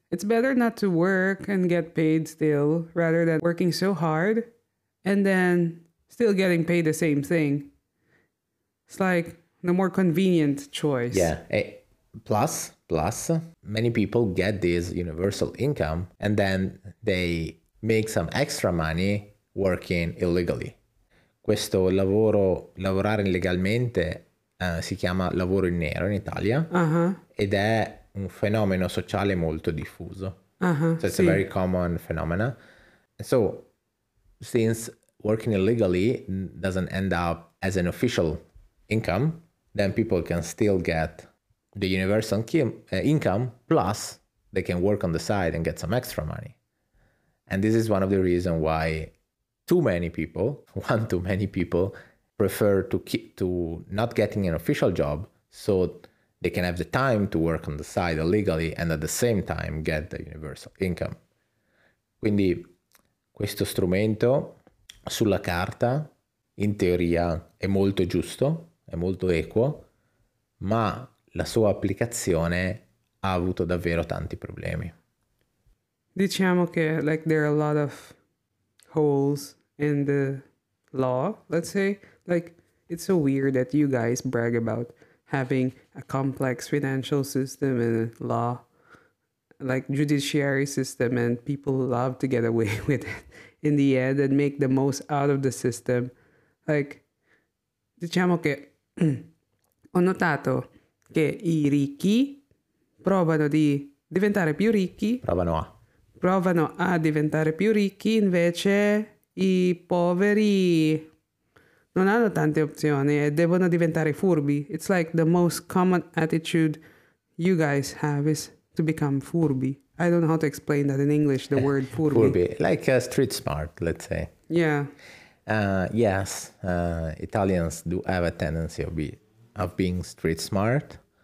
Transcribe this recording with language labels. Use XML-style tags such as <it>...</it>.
<en>it's better not to work and get paid still rather than working so hard and then still getting paid the same thing. It's like the more convenient choice. Yeah. Plus, many people get this universal income and then they make some extra money working illegally.</en> <it>Questo lavoro, lavorare illegalmente, si chiama lavoro in nero in Italia. Uh-huh. Ed è un fenomeno sociale molto diffuso. Uh-huh,</it> <en>so it's a very common phenomenon. And so, since working illegally doesn't end up as an official income, then people can still get the universal income, plus they can work on the side and get some extra money. And this is one of the reasons why one too many people prefer to keep to not getting an official job so they can have the time to work on the side illegally and at the same time get the universal income.</en> <it>Quindi questo strumento sulla carta in teoria è molto giusto, è molto equo, ma la sua applicazione ha avuto davvero tanti problemi. Diciamo che</it> <en>like there are a lot of holes in the law, let's say. Like, it's so weird that you guys brag about having a complex financial system and law, like judiciary system, and people love to get away with it in the end and make the most out of the system.</en> <it>Like, diciamo che ho notato che i ricchi provano di diventare più ricchi. Provano a diventare più ricchi, invece i poveri non hanno tante opzioni e devono diventare furbi.</it> <en>It's like the most common attitude you guys have is to become furbi. I don't know how to explain that in English, the word furbi. Furbi, like street smart, let's say. Yeah. Yes, Italians do have a tendency of being street smart.</en>